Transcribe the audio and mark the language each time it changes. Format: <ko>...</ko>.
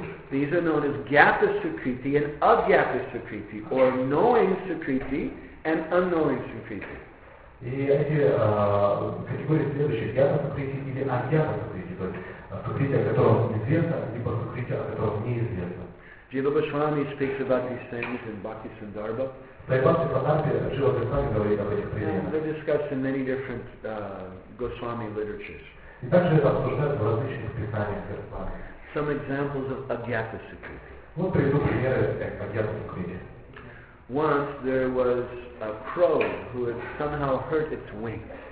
<en>These are known as jnana sukriti and ajnana sukriti, or knowing sukriti and unknowing sukriti.</en> <ru>И эти категории следующие: ясно сукрити или аньяна сукрити, то есть сукрити, о котором известно, либо сукрити, о котором неизвестно.</ru> <en>Джива Госвами speaks about these things in Bhakti Sandarbha.</en> <ru>Бхакти Сандарбхе Джива Госвами говорит об этих примерах.</ru> <en>They're discussed in many different Goswami literatures.</en> <ru>И также это обсуждается в различных писаниях Госвами.</ru> <en>Some examples of ajnana sukriti.</en> <ru>Вот приведу примеры ajnana sukriti.</ru> <en>Once there was a crow who had somehow hurt its wings.</en>